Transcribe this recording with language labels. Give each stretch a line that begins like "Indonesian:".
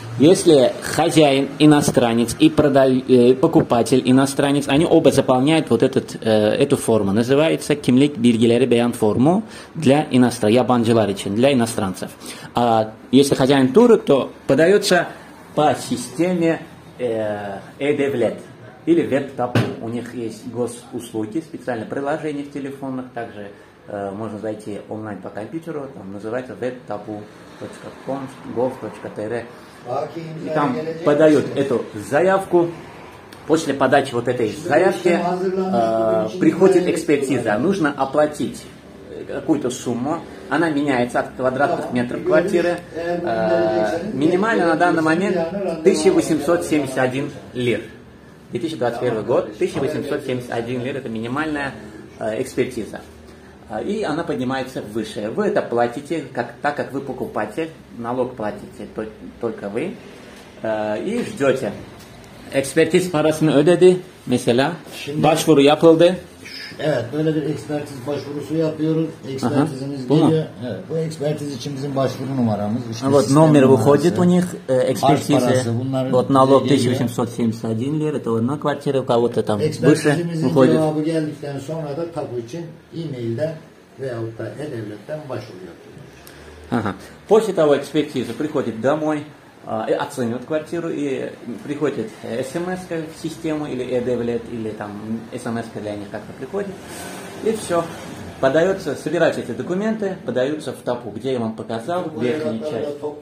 Russian: Если хозяин иностранец и покупатель иностранец, они оба заполняют вот этот, эту форму. Называется Kimlik Bilgileri Beyan Formu для иностранцев,
Turkish: yabancılar için,
Russian: для иностранцев. А если хозяин турок, то подается по системе E-Devlet или Web-Tapu. У них есть госуслуги, специальное приложение в телефонах, также можно зайти онлайн по компьютеру, там называется Web-Tapu. gov.tr и там подают эту заявку. После подачи вот этой заявки приходит экспертиза. Нужно оплатить какую-то сумму. Она меняется от квадратных метров квартиры. Минимально на данный момент 1871 лир. 2021 год, 1871 лир — это минимальная экспертиза. И она поднимается выше. Вы это платите, как, так как вы покупатель, налог платите только вы. И ждете.
Turkish: Экспертиз парасын ödedi, mesela. Başvuru yapıldı. Evet, böyle bir ekspertiz başvurusu yapıyoruz. Ekspertizimiz geliyor. Evet, bu ekspertiz için bizim başvuru numaramız.
Russian: İşte вот номер выходит у них, экспертизы. Вот налог 1871 лир, это на квартире у кого-то там выше выходит.
Turkish: Ekspertizimizin cevabı geldikten sonra da tabu için e-mail'den veyahut da e-devletten başvuru yapıyoruz.
Russian: Ага. После того экспертиза приходит домой, оценивает квартиру, и приходит смс в систему или e-devlet, или там смс для них как-то приходит, и все подается, собирать эти документы, подаются в ТАПУ, где я вам показал верхнюю часть.